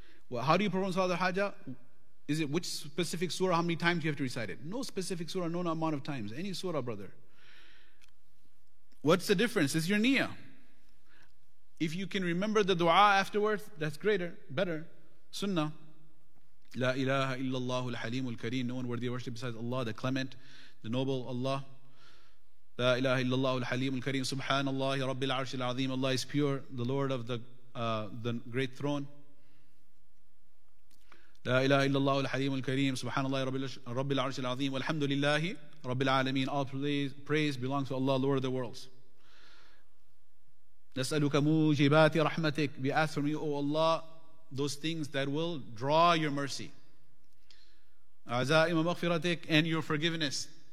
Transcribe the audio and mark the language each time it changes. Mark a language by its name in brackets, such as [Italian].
[English] Well, how do you perform Salatul Hajjah? Is it which specific surah? How many times you have to recite it? No specific surah, no amount of times. Any surah, brother. What's the difference? It's your niyyah. If you can remember the dua afterwards, that's greater, better. Sunnah. [Arabic] لا إله إلا الله الحليم الكريم. [English] No one worthy of worship besides Allah, the Clement, the Noble Allah. [Arabic] لا إله إلا الله الحليم الكريم. سبحان الله رب العرش العظيم. [English] Allah is pure, the Lord of the great throne. [Arabic] لا إله إلا الله الحليم الكريم. سبحان الله رب العرش العظيم. والحمد لله رب العالمين. [English] All praise belongs to Allah, Lord of the worlds. [Arabic] نسألك موجبات رحمتك. [English] We ask from you, O Allah, those things that will draw your mercy. [Arabic] عزائم مغفرتك, [English] and your forgiveness.